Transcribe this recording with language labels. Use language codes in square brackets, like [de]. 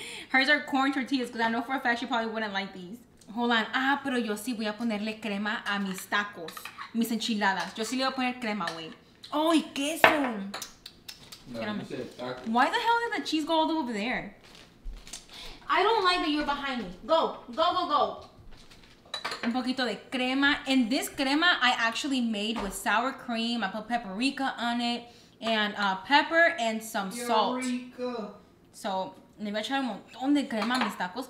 [en] Hers are corn tortillas because I know for a fact she probably wouldn't like these. Hold on. [es] Ah, pero yo sí voy a ponerle crema a mis tacos. Mis enchiladas. Yo sí le voy a poner crema, güey. Oh, y queso. [en] No, why the hell did the cheese go all the way over there? I don't like that you're behind me. Go. [es] Un poquito de crema. [en] And this crema I actually made with sour cream. I put paprika on it. And pepper and some salt. Eureka. [es] So, me voy a echar un montón de crema a mis tacos.